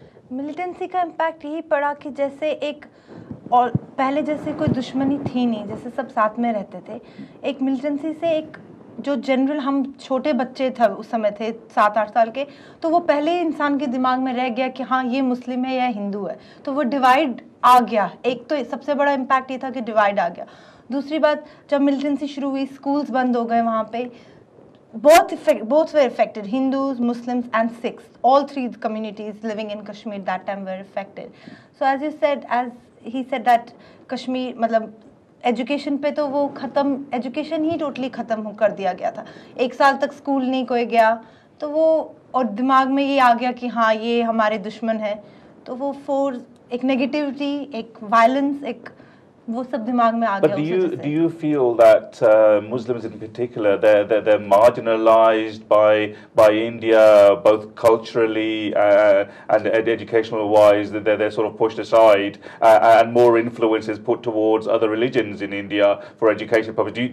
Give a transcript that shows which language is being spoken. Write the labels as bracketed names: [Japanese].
[Hindi] Militancy ka impact yahi pada ki jaise ek और पहले जैसे कोई दुश्मनी थी नहीं, जैसे सब साथ में रहते थे. एक मिलिटेंसी से एक जो जनरल हम छोटे बच्चे थे उस समय थे 7-8 साल के, तो वो पहले इंसान के दिमाग में रह गया कि हाँ ये मुस्लिम है या हिंदू है, तो वो डिवाइड आ गया. एक तो सबसे बड़ा इम्पैक्ट ये था कि डिवाइड आ गया. दूसरी बात, जब मिलिटेंसी शुरू हुई स्कूल्स बंद हो गए वहाँ पे, [English] both were affected, Hindus, Muslims and Sikhs, all three communities living in Kashmir that time were affected. So as you said, as he said that [Hindi] Kashmir, मतलब education पे तो वो खत्म, education ही totally खत्म हो कर दिया गया था. एक साल तक school नहीं कोई गया, तो वो और दिमाग में ये आ गया कि हाँ ये हमारे दुश्मन है, तो वो फोर एक negativity, एक violence, एक वो सब दिमाग में आ गया. [English] But do you feel that Muslims in particular, they're marginalized by India, both culturally and educational wise, that they're sort of pushed aside and more influence is put towards other religions in India for education purposes?